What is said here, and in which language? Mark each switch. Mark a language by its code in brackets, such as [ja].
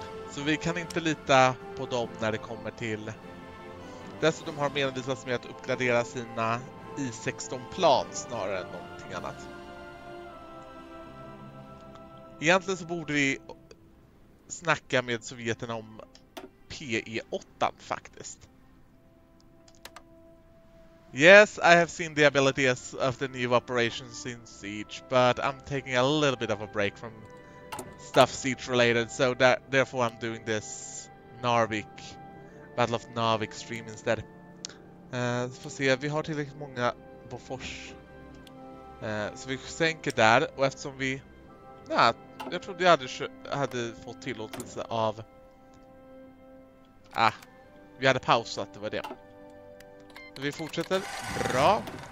[sv] Så vi kan inte lita på dem när det kommer till... Dessutom har de envisats med att uppgradera sina I-16-plan snarare än någonting annat. Egentligen så borde vi snacka med sovjeterna om PE-8 faktiskt. [en] Yes, I have seen the abilities of the new operations in Siege, but I'm taking a little bit of a break from... stuff siege related, so that therefore I'm doing this Narvik Battle of Narvik stream instead. [sv] Får se, vi har tillräckligt många Bofors. Så vi sänker där, och eftersom vi jag trodde jag hade fått tillåtelse av vi hade pausat, det var det. Så vi fortsätter. Bra.